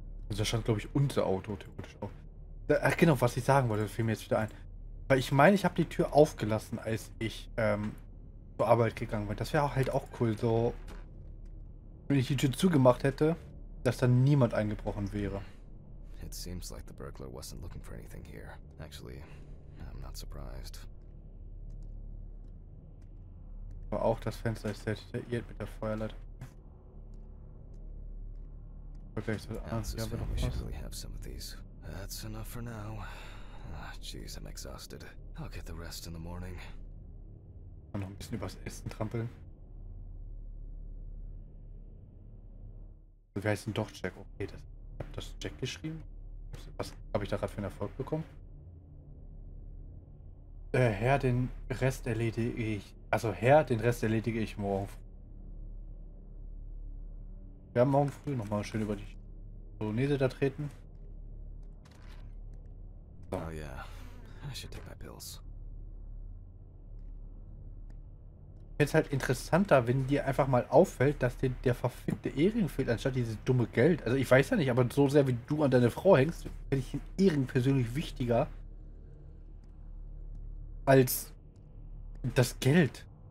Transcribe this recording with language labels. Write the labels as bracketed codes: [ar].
[de] Also da stand, glaube ich, unser Auto theoretisch auch. Ach genau, was ich sagen wollte, fiel mir jetzt wieder ein. Weil ich meine, ich habe die Tür aufgelassen, als ich zur Arbeit gegangen bin. Das wäre halt auch cool, so wenn ich die Tür zugemacht hätte, dass dann niemand eingebrochen wäre. [en] It seems like the burglar wasn't looking for anything here. Actually, I'm not surprised. [de] Aber auch das Fenster ist sehr detailliert mit der Feuerleiter. Okay, ich soll das anziehen. [en] That's enough for now. Jeez, I'm exhausted. I'll get the rest in the morning. [de] Noch ein bisschen übers Essen trampeln. Wie heißt denn doch Jack? Okay, das hab das Jack geschrieben. Was habe ich da gerade für einen Erfolg bekommen? Herr, den Rest erledige ich. Also Herr, den Rest erledige ich morgen. Wir haben morgen früh nochmal schön über die Polonaise da treten. So. [en] Oh yeah, I should take my pills. [de] Jetzt halt interessanter, wenn dir einfach mal auffällt, dass dir der verfickte Ehering fehlt, anstatt dieses dumme Geld. Also ich weiß ja nicht, aber so sehr wie du an deine Frau hängst, finde ich den Ehering persönlich wichtiger als das Geld.